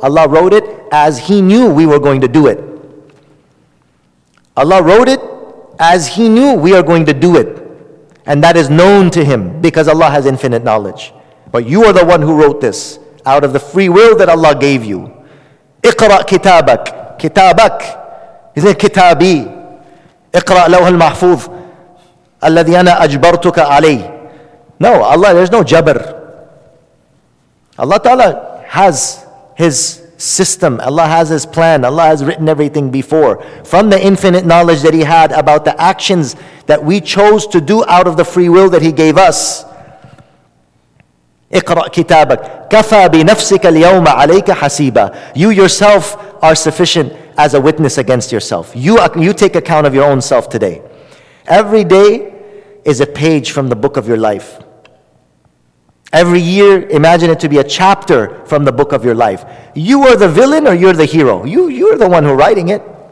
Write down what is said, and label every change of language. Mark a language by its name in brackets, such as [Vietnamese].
[English] Allah wrote it as He knew we were going to do it. Allah wrote it as He knew we are going to do it. And that is known to Him because Allah has infinite knowledge. But you are the one who wrote this out of the free will that Allah gave you. [Arabic] Iqra' kitabak. Kitabak. [English] Is it [Arabic] kitabi? اقرأ لوح المحفوظ الذي أنا أجبرتك عليه. [English] No, Allah, there's no jabr. Allah Ta'ala has His system. Allah has His plan. Allah has written everything before. From the infinite knowledge that He had about the actions that we chose to do out of the free will that He gave us. [Arabic] اقرأ كتابك كفى بنفسك اليوم عليك حسيبا. [English] You yourself are sufficient as a witness against yourself. You take account of your own self today. Every day is a page from the book of your life. Every year, imagine it to be a chapter from the book of your life. You are the villain or you're the hero? You're the one who's writing it.